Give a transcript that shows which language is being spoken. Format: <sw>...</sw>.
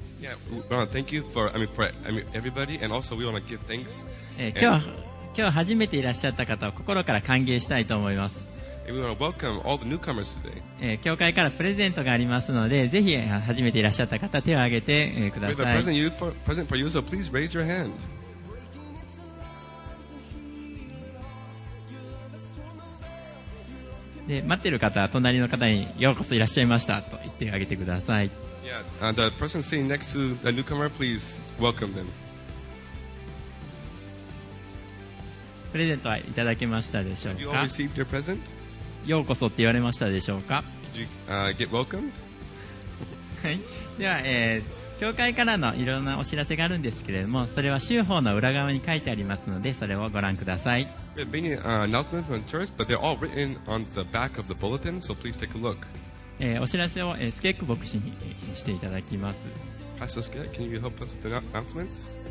<en>Yeah, Ron, thank you for, I mean, for everybody, and also we want to give thanks.</en> <ja>今日初めていらっしゃった方を心から歓迎したいと思います。</ja> <en>We want to welcome all the newcomers today.</en> <ja>教会からプレゼントがありますので、ぜひ初めていらっしゃった方手を挙げてください。</ja> <en>We have a present, present for you, so please raise your hand.</en> <ja>で、待ってる方は隣の方にようこそいらっしゃいましたと言ってあげてください。</ja> <en>Yeah, the person sitting next to the newcomer, please welcome them.</en> <ja>プレゼントはいただけましたでしょうか。</ja> <en>Have you all received your present?</en> <ja>ようこそって言われましたでしょうか。</ja> <en>Did you, get welcomed?</en> <ja>では、教会からのいろんなお知らせがあるんですけれども、それは週報の裏側に書いてありますので、それをご覧ください。</ja> <en>We have many announcements from church, but they're all written on the back of the bulletin, so please take a look.</en> <ja>お知らせを、スケック牧師にしていただきます。</ja> <en>Pastor Skek, can you help us with the announcements?</en>